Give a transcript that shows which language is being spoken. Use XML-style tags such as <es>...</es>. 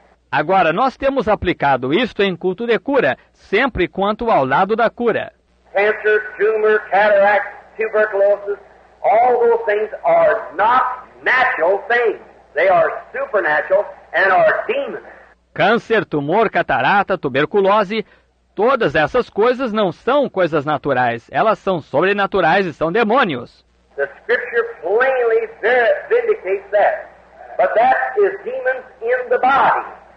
<pt>Agora, nós temos aplicado isto em culto de cura, sempre quanto ao lado da cura. Câncer, tumor,</pt> <en>cataracts,</en> <pt>tuberculose,</pt> <en>all those things are not natural things. They are supernatural and are demons.</en> <pt>Câncer, tumor, catarata, tuberculose, todas essas coisas não são coisas naturais, elas são sobrenaturais e são demônios.</pt> <en>The scripture plainly vindicates that. But that is demons in the body.</en>